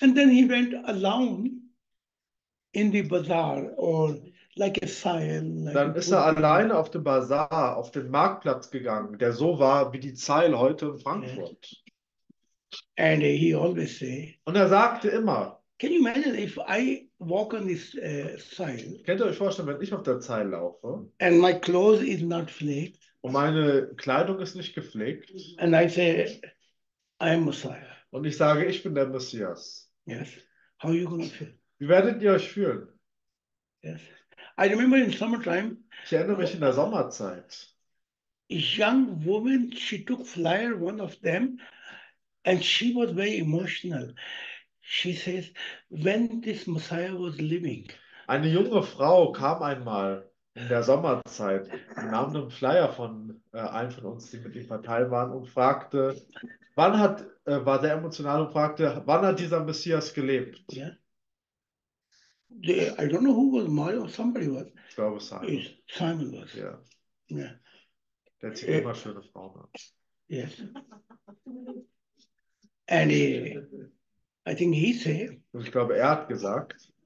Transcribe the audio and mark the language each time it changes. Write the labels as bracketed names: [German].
[English] and then he went alone in the bazaar or like a sign, like a [German] Dann ist er alleine [English] pilgrim. [German] auf den Bazar, auf den Marktplatz gegangen, der so war wie die Zeil heute in Frankfurt. [English] And he always say, [German] Und er sagte immer: [English] can you imagine if I walk on this side [German] Könnt ihr euch vorstellen, wenn ich auf der Zeil laufe [English] and my clothes is not flaked [German] und meine Kleidung ist nicht gepflegt [English] and I say, I am Messiah. [German] und ich sage, ich bin der Messias, [English] Yes. How are you gonna feel? [German] wie werdet ihr euch fühlen? [English] Yes. I remember in summertime, [German] Ich erinnere mich in der Sommerzeit. [English] a young woman, she took flyer, one of them, and she was very emotional. She says, when this Messiah was living. [German] Eine junge Frau kam einmal in der Sommerzeit und nahm einen Flyer von einem von uns, die mit ihm verteilt waren, und fragte, wann hat, war sehr emotional und fragte, wann hat dieser Messias gelebt? [English] Yeah. I don't know who was Mario or somebody was. [German] Ich glaube, Simon. [English] It's Simon was. [German] Ja. [English] Yeah. [German] Der zieht immer schöne Frauen [English] Yes. And [German] an. [English] I think he said, [German] Und ich glaube, er hat gesagt,